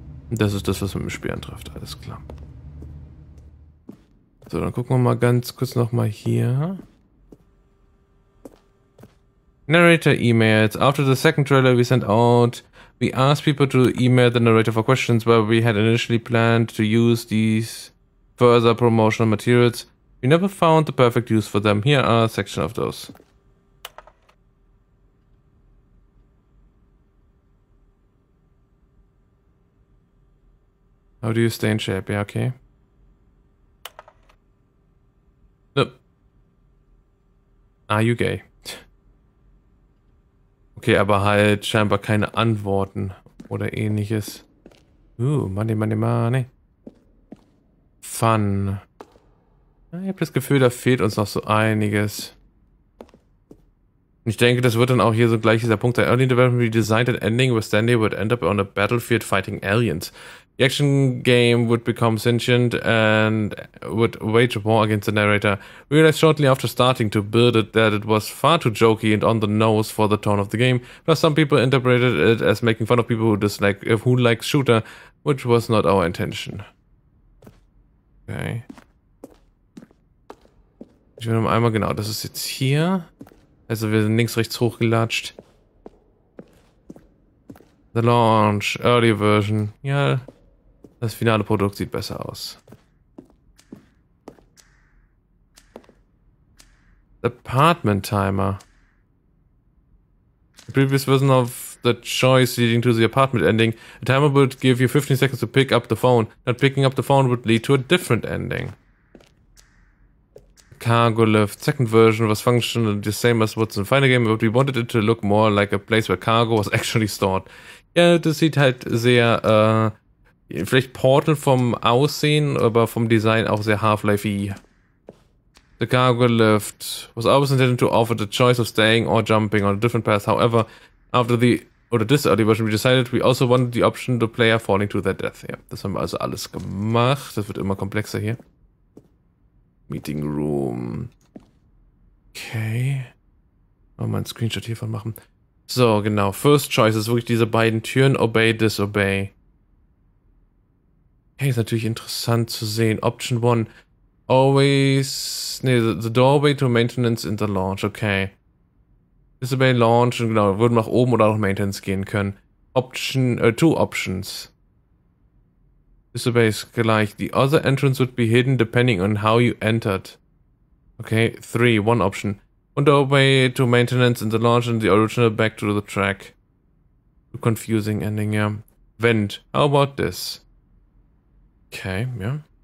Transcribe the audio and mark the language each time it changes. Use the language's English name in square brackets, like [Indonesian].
[German] Das ist das, was mit dem Spiel antrifft. Alles klar. So, dann gucken wir mal ganz kurz nochmal hier. [English] Narrator emails. After the second trailer we sent out, we asked people to email the narrator for questions, where we had initially planned to use these further promotional materials. We never found the perfect use for them. Here are a section of those. How do you stay in shape? Yeah, okay. Nope. Are you gay? [German] Okay, aber halt scheinbar keine Antworten oder ähnliches. [English] Money, money, money. Fun. [German] Ich habe das Gefühl, da fehlt uns noch so einiges. Ich denke, das wird dann auch hier so gleich dieser Punkt. [English] Der Early Development would be designed and ending with Stanley would end up on a battlefield fighting aliens. The action game would become sentient and would wage war against the narrator. We realized shortly after starting to build it that it was far too jokey and on the nose for the tone of the game. But some people interpreted it as making fun of people who dislike, who likes shooter, which was not our intention. Okay. [German] Ich will noch einmal, genau, das ist jetzt hier. Also wir sind links, rechts hochgelatscht. [English] The launch, early version. [German] Ja, das finale Produkt sieht besser aus. [English] Apartment timer. The previous version of the choice leading to the apartment ending. The timer would give you 15 seconds to pick up the phone. Not picking up the phone would lead to a different ending. Cargo lift. Second version was functional the same as what's in the final game, but we wanted it to look more like a place where cargo was actually stored. [German] Ja, das sieht halt sehr, vielleicht Portal vom Aussehen, aber vom Design auch sehr Half-Life-y. [English] The cargo lift was always intended to offer the choice of staying or jumping on a different path. However, after the, oder this early version, we decided we also wanted the option to play a falling to their death. [German] Ja, das haben wir also alles gemacht. Das wird immer komplexer hier. Meeting Room. Okay. Mal einen Screenshot hiervon machen. So, genau. First Choice ist wirklich diese beiden Türen. [English] Obey, Disobey. [German] Okay, ist natürlich interessant zu sehen. Option 1. Always... [English] Nee, the doorway to maintenance in the launch. Okay. Disobey, launch. [German] Und genau, würden nach oben oder nach maintenance gehen können. [English] Option... two options. Disobey [German] ist gleich. [English] The other entrance would be hidden depending on how you entered. Okay, 3, one option. Und the way to maintenance in the launch and the original back to the track. Too confusing ending, ja. Yeah. Vent, how about this? Okay, ja. Yeah.